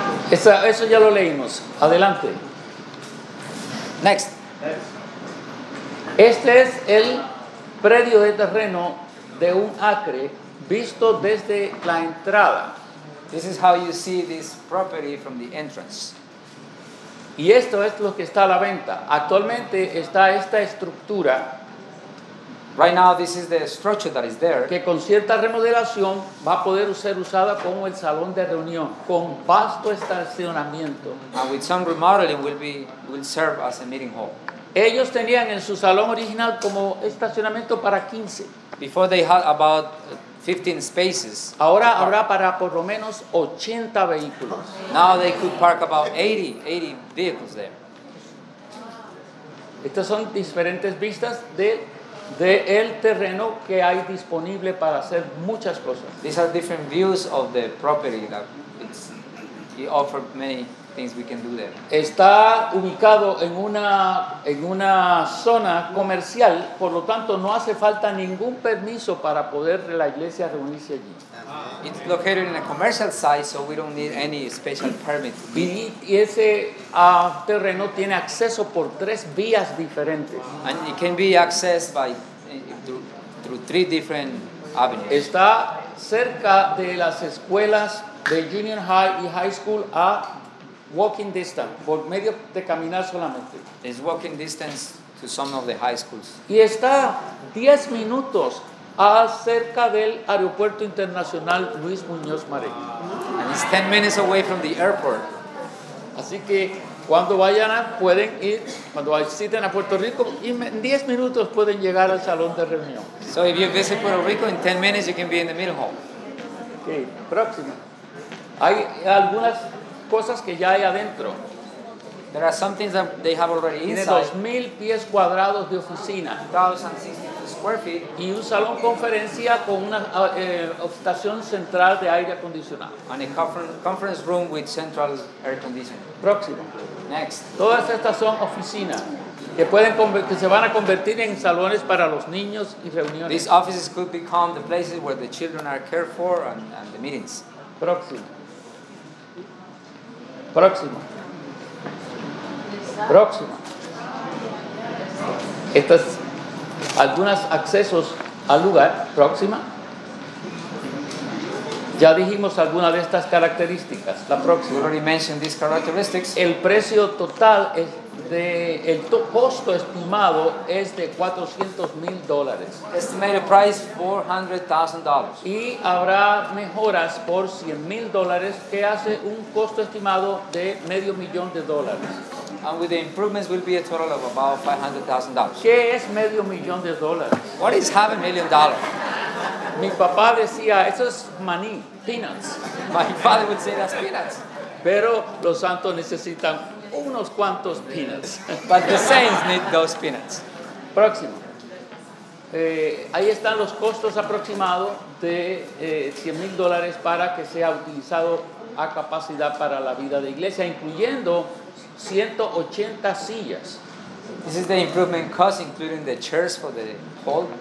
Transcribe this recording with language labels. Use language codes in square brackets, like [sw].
[es] Eso ya lo leímos. Adelante. [en] Next. [es] Este es el predio de terreno de un acre visto desde la entrada. [en] This is how you see this property from the entrance. [es] Y esto es lo que está a la venta. Actualmente está esta estructura. [en] Right now, this is the structure that is there. [es] Que con cierta remodelación va a poder ser usada como el salón de reunión con vasto estacionamiento. [en] And with some remodeling, will serve as a meeting hall. [es] Ellos tenían en su salón original como estacionamiento para 15. [en] Before they had about 15 spaces. [es] Ahora habrá para por lo menos 80 vehículos. [en] Now they could park about 80 vehicles there. [es] Estas son diferentes vistas de el terreno que hay disponible para hacer muchas cosas. [en] These are different views of the property that it offers many things we can do there. [es] Está ubicado en una zona comercial, por lo tanto no hace falta ningún permiso para poder la iglesia reunirse allí. [en] It's located in a commercial site, so we don't need any special permit. [es] Y ese terreno tiene acceso por 3 vías diferentes. [en] And it can be accessed by through 3 different avenues. [es] Está cerca de las escuelas de Junior High y High School a [en] Walking distance, [es] por medio de caminar solamente. [en] It's walking distance to some of the high schools. [es] Y está 10 minutos cerca del aeropuerto internacional Luis Muñoz Marín. [en] And it's 10 minutes away from the airport. [es] Así que cuando vayan, pueden ir, cuando visiten a Puerto Rico, en 10 minutos pueden llegar al salón de reunión. [en] So if you visit Puerto Rico, in 10 minutes you can be in the middle hall. [es] Ok, próxima. Hay algunas cosas que ya hay adentro. [en] There are some things that they have already inside. [es] Tiene 2,000 pies cuadrados de oficina. [en] 1,060 square feet. [es] Y un salón conferencia con una estación central de aire acondicionado. [en] And a conference room with central air conditioning. [es] Próximo. [en] Next. [es] Todas estas son oficinas que se van a convertir en salones para los niños y reuniones. [en] These offices could become the places where the children are cared for and the meetings. [es] Próximo. Estas algunas accesos al lugar. Próxima. Ya dijimos alguna de estas características. La próxima. [en] We already mentioned these characteristics. [es] El precio total es el costo estimado es de $400,000. [en] Estimated price $400,000. [es] Y habrá mejoras por $100,000 que hace un costo estimado de $500,000. [en] And with the improvements will be a total of about $500,000. [es] ¿Qué es $500,000? [en] What is $500,000? [es] Mi papá decía, eso es maní, [en] peanuts. My father would say that's peanuts. [es] Pero los santos necesitan unos cuantos [en] peanuts. But the saints need those peanuts. [es] Próximo. Ahí están los costos aproximados de $100,000 para que sea utilizado a capacidad para la vida de iglesia, incluyendo 180 sillas. [en] This is the improvement cost, including the chairs for the hall.